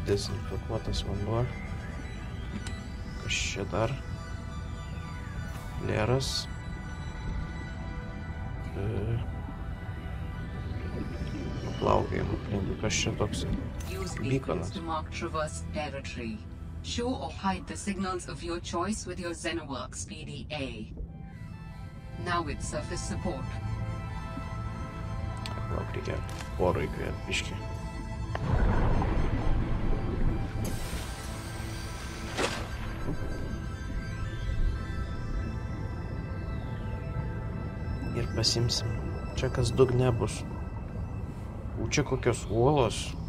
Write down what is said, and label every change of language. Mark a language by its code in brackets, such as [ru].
[lt] Desinfekuotas vanduo. Čia dar Leras. Plaukėjim aplinkui, kas čia toks beaconas. [en] Show or hide the signals of your choice with your Xenoworks PDA. Now with surface support. [lt] Plauk, reikia oro įkvėt, biškį. Ir pasimsim. Čia kas dugne bus. U, čia kokios uolos.